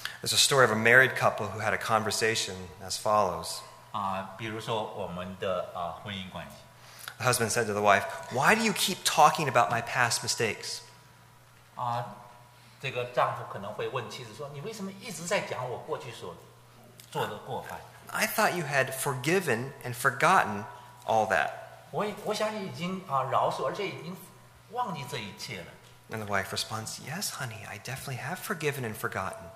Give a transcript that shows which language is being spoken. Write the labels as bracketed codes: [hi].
[en] There's a story of a married couple who had a conversation as follows. [zh] 比如说我们的婚姻关系。 [en] The husband said to the wife, "Why do you keep talking about my past mistakes?" [zh] 这个丈夫可能会问妻子说，你为什么一直在讲我过去所做的过犯？ [en] I thought you had forgiven and forgotten all that. [zh] 我想你已经饶恕，而且已经忘记这一切了。 [en] And the wife responds, "Yes, honey, I definitely have forgiven and forgotten."